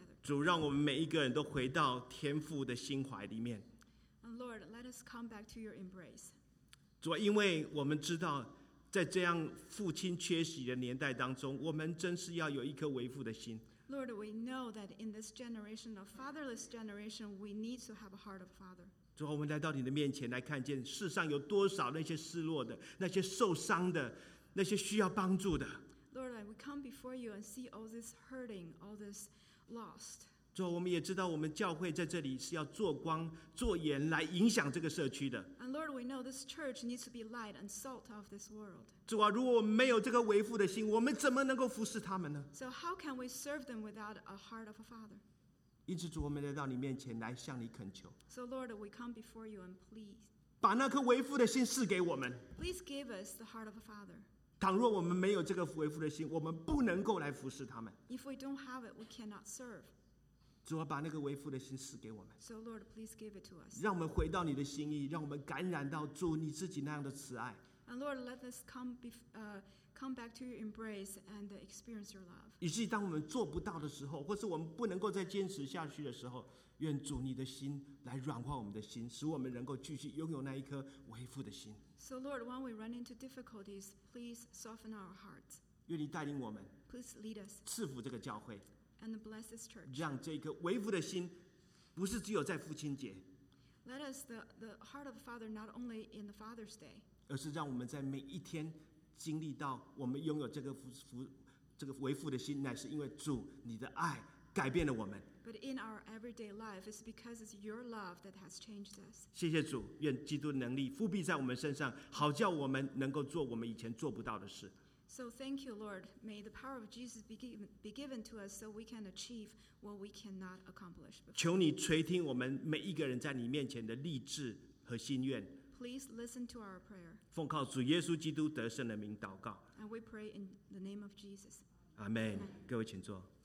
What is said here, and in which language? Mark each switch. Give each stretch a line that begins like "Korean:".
Chinese: 主，让我们每一个人都回到天父的心怀里面。
English: Lord, let us come back to your embrace.
Chinese: 主，因为我们知道，在这样父亲缺席的年代当中，我们真是要有一颗为父的心。
English: Lord, we know that in this generation of fatherless generation, we need to have a heart of father.
Chinese: 主，我们来到你的面前，来看见世上有多少那些失落的、那些受伤的、那些需要帮助的。
English: Lord, we come before you and see all this hurting, all this lost.
Chinese: 主，我们也知道我们教会在这里是要做光、做盐来影响这个社区的。
English: And Lord, we know this church needs to be light and salt of this world.
Chinese: 主啊，如果我们没有这个为父的心，我们怎么能够服侍他们呢？
English: So how can we serve them without a heart of a father?
Chinese: 因此，主，我们来到你面前来向你恳求。
English: So Lord, we come before you and please.
Chinese: 把那颗为父的心赐给我们。
English: Please give us the heart of a father.
Chinese: 倘若我们没有这个为父的心，我们不能够来服侍他们。
English: If we don't have it, we cannot serve.
Chinese: 主啊，把那个为父的心赐给我们。
English: So Lord, please give it to us.
Chinese: 让我们回到你的心意，让我们感染到主你自己那样的慈爱。
English: And Lord, let us come back to your embrace and experience your love.
Chinese: 以至于当我们做不到的时候，或是我们不能够再坚持下去的时候，愿主你的心来软化我们的心，使我们能够继续拥有那一颗为父的心。
English: So Lord, when we run into difficulties, please soften our hearts.
Chinese: 愿你带领我们。
English: Please lead us.
Chinese: 赐福这个教会。
English: And bless this church.
Chinese: 让这颗为父的心，不是只有在父亲节。
English: Let us the heart of the Father not only in the Father's Day.
Chinese: 而是让我们在每一天经历到我们拥有这个为父的心，乃是因为主你的爱改变了我们。
English: But in our everyday life, it's because it's your love that has changed us.
Chinese: 谢谢主，愿基督的能力复辟在我们身上，好叫我们能够做我们以前做不到的事。
English: So thank you, Lord. May the power of Jesus be given to us so we can achieve what we cannot accomplish before.
Chinese: 求你垂听我们每一个人在你面前的立志和心愿。
English: Please listen to our prayer.
Chinese: 奉靠主耶稣基督得胜的名祷告。
English: And we pray in the name of Jesus.
Chinese: Amen. 各位请坐。